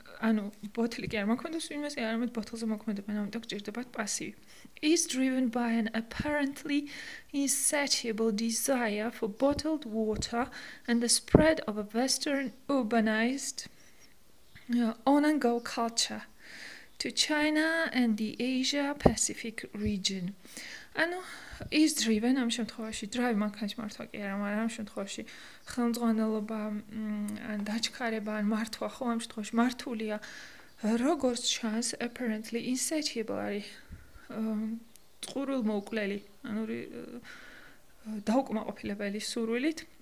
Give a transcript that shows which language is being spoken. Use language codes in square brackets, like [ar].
[ka] ანუ ბოთლი კი არ მოქმედებს იმასე, არამედ ბოთლზე მოქმედება, ამიტომ გჭირდებათ პასივი. [en] Is driven by an apparently insatiable desire for bottled water and the spread of a western urbanized on-and-go culture to China and the Asia Pacific region. [ka] ანუ [en] is driven [ka] ამ შემთხვევაში, drive მანქანის მართვა კი არა, მაგრამ ამ შემთხვევაში ხელმძღვანელობა ან დაჩქარება ან მართვა, ხო, ამ შემთხვევაში მართულია, როგორც ჩანს, [en] apparently insatiable [ka] არის, წყურულმოუკვლელი, ანუ დაუკმაყოფილებელი სურვილით.